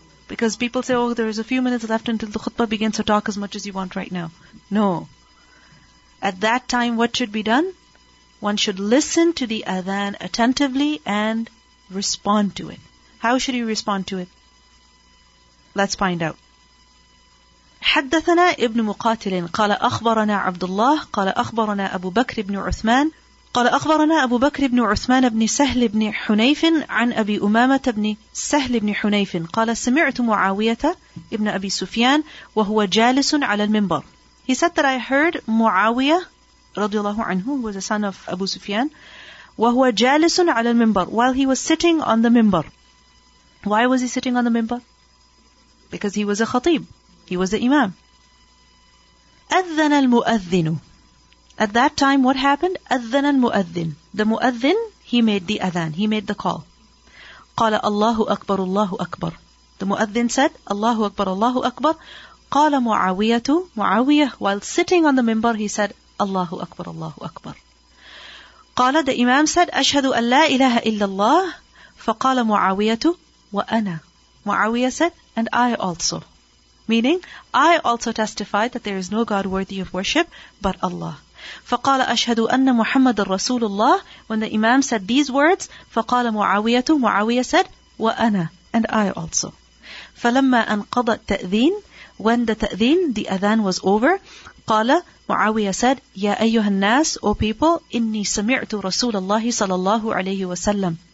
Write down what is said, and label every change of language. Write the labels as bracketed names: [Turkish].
[English] Because people say, oh, there is a few minutes left until the khutbah begins, so talk as much as you want right now. No. At that time, what should be done? One should listen to the adhan attentively and respond to it. How should you respond to it? Let's find out. [Arabic] حدثنا ابن مقاتل قال أخبرنا عبد الله قال أخبرنا أبو بكر بن عثمان قال أخبرنا أبو بكر بن عثمان بن سهل بن حنيف عن أبي أمامة بن سهل بن حنيف قال سمعت معاوية ابن أبي سفيان وهو جالس على المنبر. [English] He said that I heard معاوية رضي الله عنه, who was the son of Abu Sufyan, [Arabic] وهو جالس على المنبر, [English] while he was sitting on the minbar. Why was he sitting on the minbar? Because he was a khatib. He was the imam. [Arabic] أذن المؤذن. [English] At that time, what happened? [Arabic] أذن المؤذن. [English] The مؤذن, he made the adhan. He made the call. [Arabic] قال الله أكبر الله أكبر. [English] The [Arabic] مؤذن said, الله أكبر الله أكبر. قال معاوية معاوية. [English] While sitting on the minbar, he said, [Arabic] الله أكبر الله أكبر. قال, [English] the imam said, [Arabic] أشهد أن لا إله إلا الله. فقال معاوية وأنا. معاوية [English] said, and I also. Meaning, I also testify that there is no God worthy of worship but Allah. [Arabic] فقال أشهد أن محمد رسول الله. [English] When the imam said these words, [Arabic] فقال معاوية, [English] معاوية said, [Arabic] وأنا, [English] and I also. [Arabic] فلما أنقض التأذين, [English] when the تأذين, the adhan was over, قال معاوية said, [Arabic] يا أيها الناس, [English] O people, [Arabic] إني سمعت رسول الله صلى الله عليه وسلم.